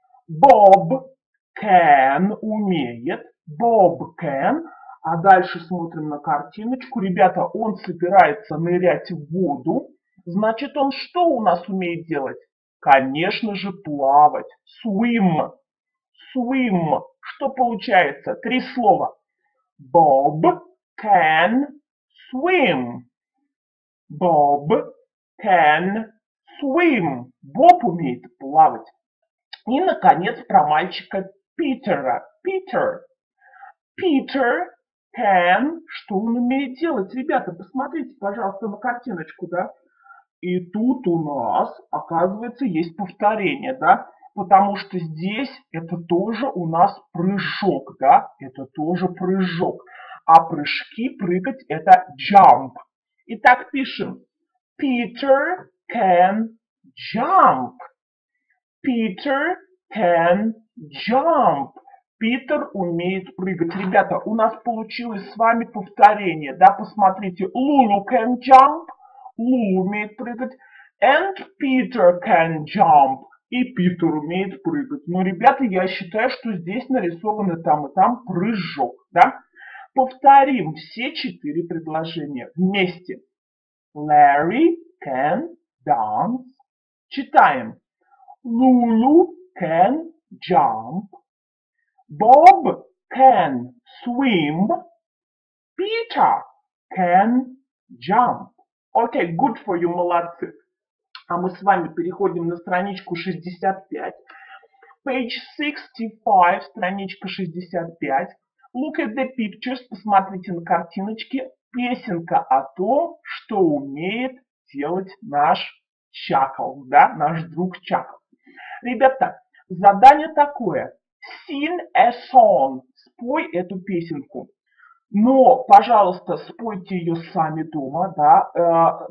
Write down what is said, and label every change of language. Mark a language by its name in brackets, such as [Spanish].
[Russian] Bob can, умеет, Bob can, а дальше смотрим на картиночку. Ребята, он собирается нырять в воду, значит, он что у нас умеет делать? Конечно же, плавать, [English] swim, swim. [Russian] Что получается? Три слова. [English] Bob can swim, Bob can swim, Bob [Russian] умеет плавать. И, наконец, про мальчика Питера. Питер. Питер can. Что он умеет делать? Ребята, посмотрите, пожалуйста, на картиночку, да? И тут у нас, оказывается, есть повторение, да? Потому что здесь это тоже у нас прыжок, да? Это тоже прыжок. А прыжки, прыгать, это jump. Итак, пишем. Питер can jump. [English] Peter can jump. [Russian] Питер умеет прыгать. Ребята, у нас получилось с вами повторение. Да, посмотрите. [English] Lulu can jump. [Russian] умеет прыгать. [English] And Peter can jump. [Russian] И Питер умеет прыгать. Но, ребята, я считаю, что здесь нарисовано там и там прыжок. Да? Повторим все четыре предложения вместе. [English] Larry can dance. [Russian] Читаем. [English] Lulu can jump. Bob can swim. Peter can jump. Okay, good for you, [Russian] молодцы. А мы с вами переходим на страничку 65. [English] Page 65, [Russian] страничка 65. [English] Look at the pictures, [Russian] посмотрите на картиночки. Песенка о том, что умеет делать наш Чакл, да, наш друг Чакл. Ребята, задание такое. [English] Sing a song. [Russian] Спой эту песенку. Но, пожалуйста, спойте ее сами дома, да.